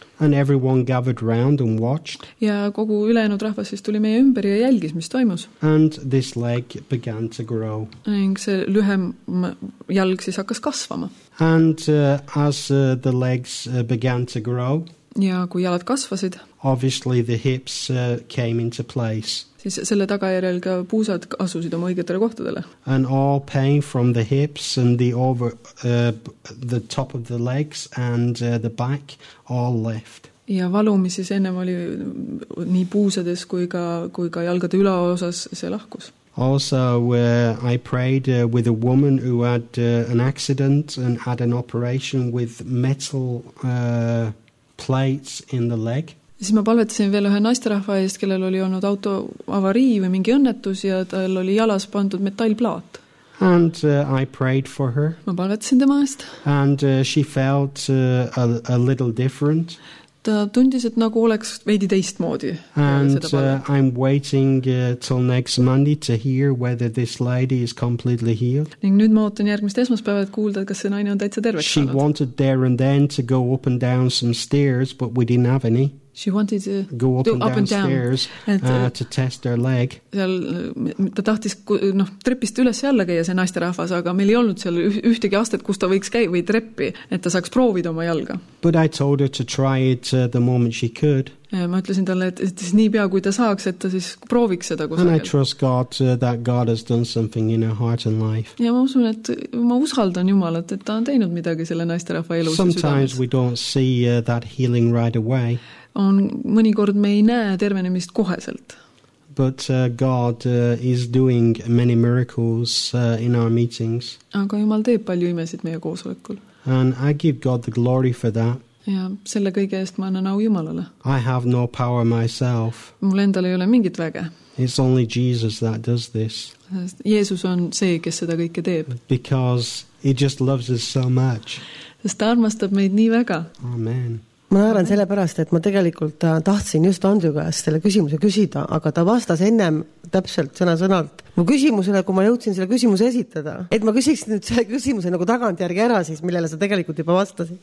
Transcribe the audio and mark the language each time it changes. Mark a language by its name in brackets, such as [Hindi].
[English] And everyone gathered round and watched. [Estonian] Ja kogu ülejäänud rahvas siis tuli meie ümber ja jälgis, mis toimus. [English] And this leg began to grow. [Estonian] Ning see lühem jalg siis hakkas kasvama. [English] And as the legs began to grow. [Estonian] Ja kui jalad kasvasid. [English] Obviously the hips came into place. [Estonian] Siis selle tagajärjel ka puusad asusid oma õigetele kohtadele. [English] And all pain from the hips and the over the top of the legs and the back all left. [Estonian] Ja valumis siis ennem oli nii puusades kui ka jalgade üleosas see lahkus. [English] Also I prayed with a woman who had an accident and had an operation with metal plates in the leg. [Estonian] Siis ma palvetasin veel ühe naisterahva eest, kellel oli olnud auto avarii või mingi õnnetus ja tal oli jalas pandud metallplaat. [English] And I prayed for her. [Estonian] Ma palvetasin tema eest. [English] And she felt a little different. [Estonian] Ta tundis, et nagu oleks veidi teistmoodi. [English] And I'm waiting till next Monday to hear whether this lady is completely healed. [Estonian] Ning nüüd ma ootan järgmist esmaspäevat kuulda, et kas see naine on täitsa terveks saanud. [English] She wanted there and then to go up and down some stairs, but we didn't have any. She wanted to go up and down stairs to test her leg. [Estonian] Seal, ta tahtis trepist üles jälle käia see naiste rahvas, aga meil ei olnud seal ühtegi astet, kus ta võiks käia või treppi, et ta saaks proovida oma jalga. [English] But I told her to try it the moment she could. [Estonian] Ja ma ütlesin talle, et siis nii pea kui ta saaks, et ta siis prooviks seda kusagil. [English] And I trust God that God has done something in her heart and life. [Estonian] Ja ma usun, et ma usaldan Jumalat, et ta on teinud midagi selle naiste rahva elus ja südames. [English] Sometimes we don't see that healing right away. [Estonian] On mõnikord me ei näe tervenemist koheselt. [English] But God is doing many miracles in our meetings. [Estonian] Aga Jumal teeb palju imesid meie koosolekul. [English] And I give God the glory for that. [Estonian] Ja selle kõige eest ma annan au Jumalale. [English] I have no power myself. [Estonian] Mul endal ei ole mingit väge. [English] It's only Jesus that does this. [Estonian] Jeesus on see, kes seda kõike teeb. [English] Because he just loves us so much. [Estonian] Sest ta armastab meid nii väga. [English] Amen. [Estonian] Ma naeran selle pärast, et ma tegelikult tahtsin just Andrew käest selle küsimuse küsida, aga ta vastas ennem täpselt sõnalt. Ma küsimusele, kui ma jõudsin selle küsimuse esitada, et ma küsiksin nüüd selle küsimuse nagu tagantjärgi ära, siis millele sa tegelikult juba vastasid.